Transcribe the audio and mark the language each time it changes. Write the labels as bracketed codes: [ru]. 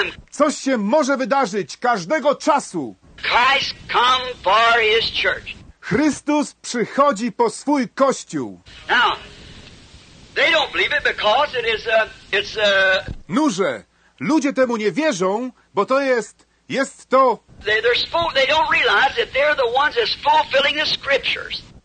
[pl] Coś się może wydarzyć każdego czasu. [en] Christ come for his church. [pl] Chrystus przychodzi po swój Kościół. [en] Now, they don't believe it because it is a... [pl] Noże, ludzie temu nie wierzą, bo to jest to... [en] They don't realize that they're the ones that's fulfilling the scriptures.